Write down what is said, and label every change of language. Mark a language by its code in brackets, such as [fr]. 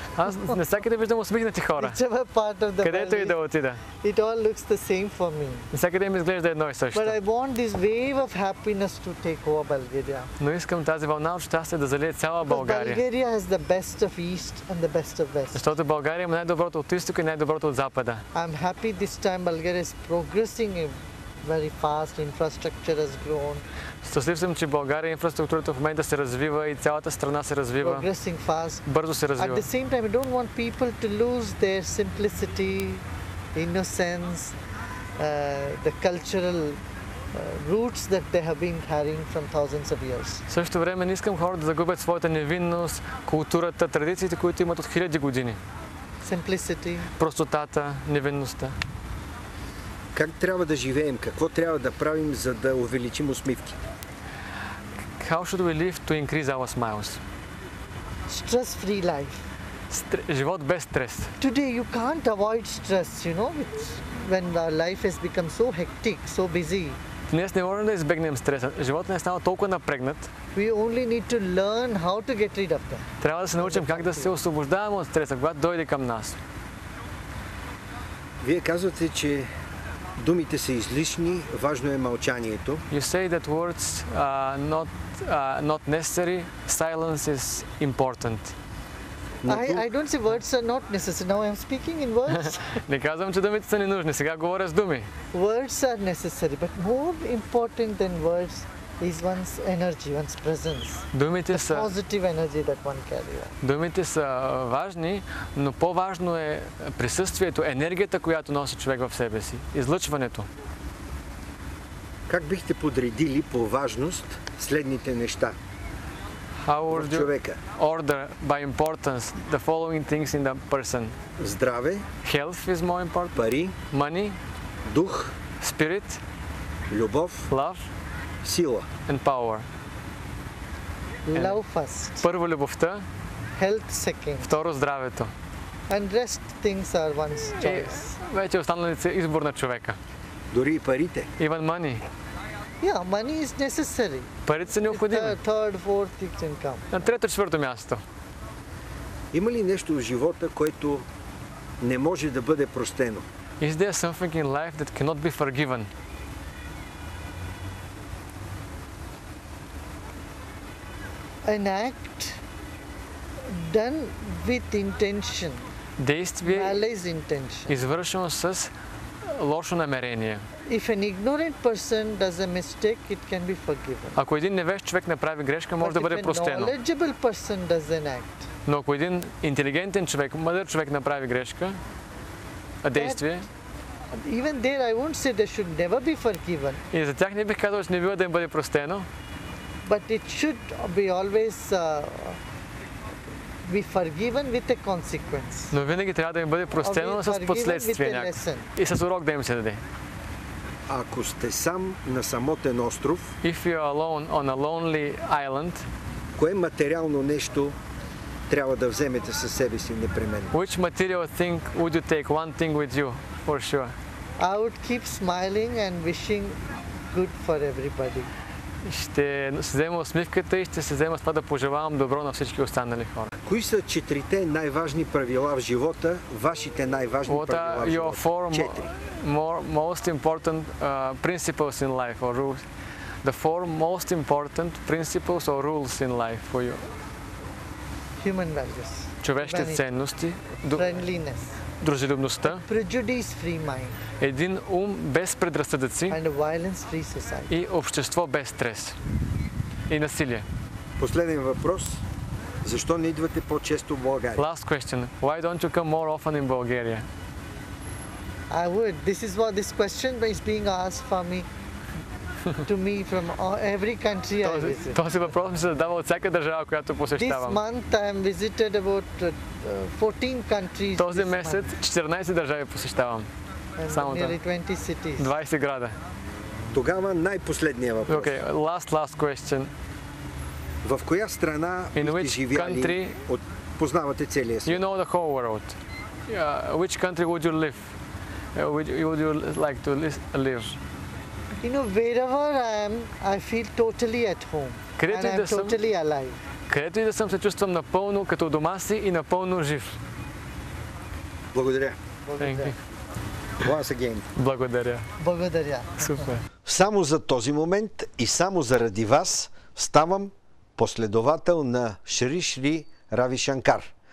[bg] Аз не всякъде виждам усмихнати хора. Където и да отида. [en] It all looks the same for me. [bg] Не всякъде ми изглежда едно и също. [en] But I want this wave of happiness to take over Bulgaria. [bg] Но искам тази вълна от щастие да залие цяла България. [en] Bulgaria has the best of east and the best of west. [bg] Защото България има най-доброто от изток и най-доброто от запада. [en] I'm happy this time Bulgaria is progressing very fast, infrastructure has grown. [bg] Щастлив съм, че България инфраструктурата в момента се развива и цялата страна се развива. [en] Progressing fast. [bg] Бързо се развива. [en] At the same time, I don't want people to lose their simplicity, innocence, the cultural roots that they have been carrying from thousands of years. [bg] В същото време не искам хората да загубят своята невинност, културата, традициите, които имат от хиляди години. [en] Simplicity. [bg] Простотата, невинността. Как трябва да живеем? Какво трябва да правим, за да увеличим усмивките? [en] How should we live to increase our smiles? Stress-free life. [bg] Живот без стрес. [en] Today you can't avoid stress, you know, when our life has become so hectic, so busy. [bg] Днес не можем да избегнем стреса. Животът не става толкова напрегнат. [en] We only need to learn how to get rid of them. [bg] Трябва да се научим как да се освобождаваме от стреса, когато дойде към нас. Вие казвате, че думите са излишни, важно е мълчанието. [en] You say that words are not necessary. Silence is important. I don't say words are not necessary. Now I'm speaking in words. [bg] Не казвам, че думите са ненужни. Сега говоря с думи. [en] Words are necessary, but more important than words is one's energy, one's presence. [bg] Думите са [en] positive energy that one carries. [bg] Думите са важни, но по-важно е присъствието, енергията, която носи човек в себе си, излъчването. Как бихте подредили по важност следните неща? [en] How would you order by importance the following things in the person? [bg] Здраве. [en] Health is more important. [bg] Пари. [en] Money. [bg] Дух. [en] Spirit. [bg] Любов. [en] Love. [bg] Сила. [en] And power. Love first. [bg] Първо любовта. [en] Health second. [bg] Второ здравето. [en] And rest things are one's choice. [bg] Вече останалите избор на човека. Дори и парите. [en] Even money. Yeah, money is necessary. [bg] Парите са необходими. [en] Third, fourth, it can come. [bg] На трето, четвърто място. Има ли нещо в живота, което не може да бъде простено? [en] Is there something in life that cannot be forgiven? An act done with intention. [bg] Действие, [en] malice intention. [bg] Извършено с лошо намерение. [en] If an ignorant person does a mistake, it can be forgiven. [bg] Ако един невежд човек направи грешка, може [en] But [bg] да бъде простено. [en] But if a knowledgeable person does an act. [bg] Но ако един интелигентен човек, мъдър човек направи грешка, а действие, [en] even there I won't say they should never be forgiven. [bg] И за тях не бих казал, че не бива да им бъде простено. [en] But it should be always be forgiven with a consequence. [bg] Но винаги трябва да им бъде простено с последствия някакво. И с урок да им се даде. Ако сте сам на самотен остров, [en] if you are alone on a lonely island, [bg] кое материално нещо трябва да вземете със себе си непременно? [en] Which material thing would you take one thing with you for sure? I would keep smiling and wishing good for everybody. [bg] Ще се взема усмивката и ще се взема с това да пожелавам добро на всички останали хора. Кои са четирите най-важни правила в живота, вашите най-важни правила в живота? [en] What are your four most important principles in life or rules? The four most important principles or rules in life for you? Human values. [bg] Човешки ценности. [en] Friendliness. [bg] Дружелюбността. [en] Prejudice-free mind. [bg] Един ум без предразсъдъци. [en] And a violence-free society. [bg] И общество без стрес. И насилие. Последен въпрос. Защо не идвате по-често в България? [en] Last question. Why don't you come more often in Bulgaria? I would. This is what this question is being asked for me. To me from every country I visit. [bg] Този въпрос ми се задава от всяка държава, която посещавам. [en] This month I am visited about 14 countries. [bg] Този месец 14 държави посещавам. Само [en] nearly 20 cities. [bg] 20 града. Тогава най-последния въпрос. [en] Okay, last question. [bg] В коя страна бихте живяли? Познавате целия свят. [en] You know the whole world. Which country would you live? Would you like to live? You know, wherever I am, I feel totally at home. [bg] Където [en] and I'm totally alive. [bg] Където и да съм, се чувствам напълно като дома си и напълно жив. Благодаря. [en] Thank you. Once again. [bg] Благодаря. Благодаря. Супер. Само за този момент и само заради вас ставам последовател на Шри Шри Рави Шанкар.